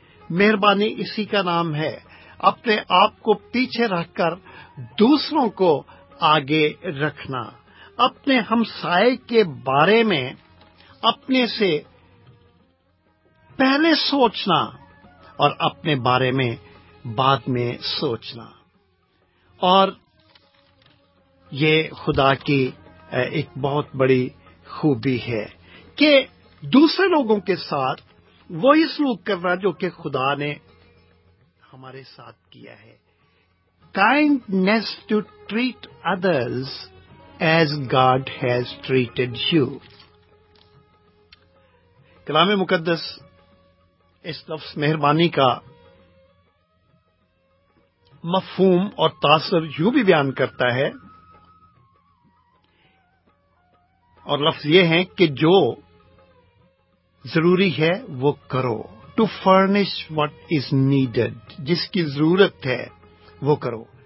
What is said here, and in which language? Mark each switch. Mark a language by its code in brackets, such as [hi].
[ur] مہربانی اسی کا نام ہے، اپنے آپ کو پیچھے رکھ کر دوسروں کو آگے رکھنا، اپنے ہمسائے کے بارے میں اپنے سے پہلے سوچنا اور اپنے بارے میں بعد میں سوچنا. اور یہ خدا کی ایک بہت بڑی خوبی ہے کہ دوسرے لوگوں کے ساتھ وہی سلوک کرنا جو کہ خدا نے ہمارے ساتھ کیا ہے. [en] Kindness to treat others as God has treated you. [ur] کلام مقدس اس لفظ مہربانی کا مفہوم اور تاثر یوں بھی بیان کرتا ہے، اور لفظ یہ ہے کہ جو ضروری ہے وہ کرو، [en] to furnish what is needed, [ur] جس کی ضرورت ہے وہ کرو.